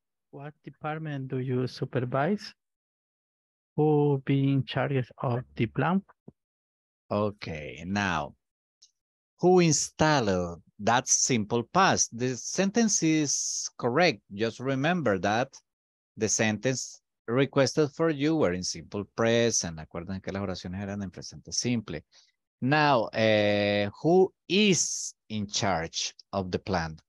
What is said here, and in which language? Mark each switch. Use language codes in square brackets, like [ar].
[en] What department do you supervise? Who be in charge of the plan? Okay, now, who installed? That's simple past. The sentence is correct. Just remember that the sentence requested for you were in simple present. [es] Acuerden que las oraciones eran en presente simple. [en] Now, who is in charge of the plan?